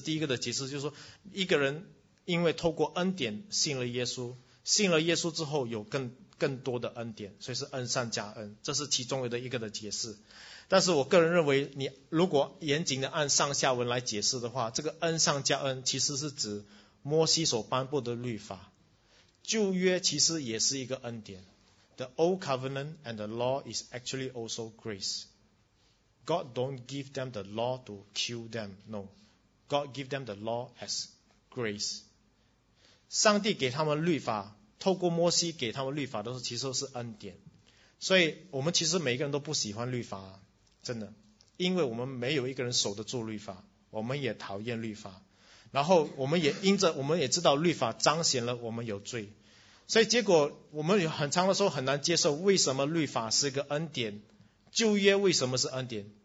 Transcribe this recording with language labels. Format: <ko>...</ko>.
<zh>第一个的解释就是说，一个人因为透过恩典信了耶稣，信了耶稣之后有更多的恩典，所以是恩上加恩，这是其中的一个的解释。但是我个人认为，你如果严谨的按上下文来解释的话，这个恩上加恩其实是指摩西所颁布的律法，旧约其实也是一个恩典。</zh> <en>The old covenant and the law is actually also grace. God don't give them the law to kill them. No. God give them the law as grace.</en> <zh>上帝给他们律法，透过摩西给他们律法的时候，其实都是恩典。所以我们其实每一个人都不喜欢律法，真的，因为我们没有一个人守得住律法，我们也讨厌律法，然后我们也因着我们也知道律法彰显了我们有罪，所以结果我们很长的时候很难接受为什么律法是一个恩典，旧约为什么是恩典？</zh>